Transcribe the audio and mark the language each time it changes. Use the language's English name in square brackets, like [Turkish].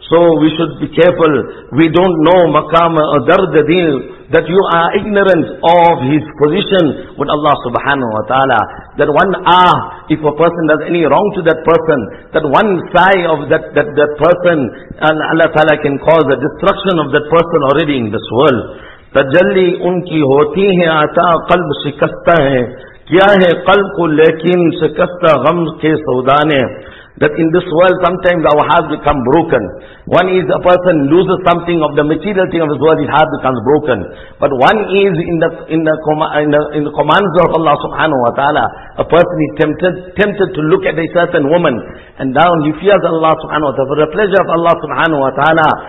[English] So we should be careful. We don't know [Urdu] maqam dard dil, [English] that you are ignorant of his position with Allah subhanahu wa ta'ala. That one if a person does any wrong to that person, that one sigh of that person, and Allah ta'ala can cause the destruction of that person already in this world. [Urdu] تجلی ان کی ہوتی ہے آتا قلب شکستہ ہے کیا ہے قلب کو لیکن شکستہ غم کے سودانے. [English] That in this world sometimes our hearts become broken. One is a person loses something of the material thing of his world, his heart becomes broken. But one is in the commands of Allah subhanahu wa ta'ala, a person is tempted to look at a certain woman, and now he fears Allah subhanahu wa ta'ala for the pleasure of Allah subhanahu wa ta'ala.